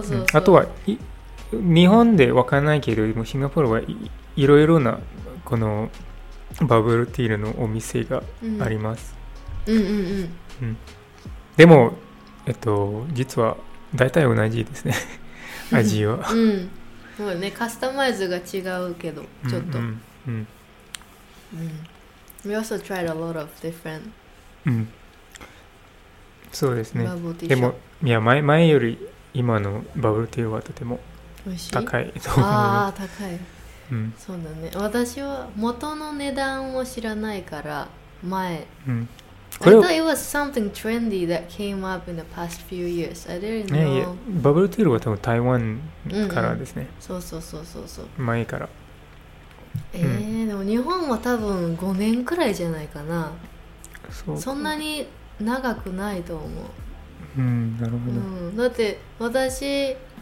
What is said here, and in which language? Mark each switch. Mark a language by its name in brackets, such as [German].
[Japanese] ん、あとは日本で分からないけど、もシンガポールは いろいろなこのバブルティールのお店があります、うん、うんうんうん、うん、でも実は大体同じですね。味は。うん、もうね、カスタマイズが違うけど、ちょっと、うん [English] うんうん、We also tried a lot of different、 [Japanese] うん、そうですね、バブルティー。でも、いや、前より今のバブルティーはとても高いと思う。ああ、高い、うん、そうだね。私は元の値段を知らないから、前、うん、 [English] これ I thought it was something trendy that came up in the past few years. I didn't know. いや、 [Japanese] バブルティーは多分台湾からですね、うんうん、そう前から。でも日本は多分5年くらいじゃないかな。そんなに長くないと思う。うん、なるほど、うん、だって私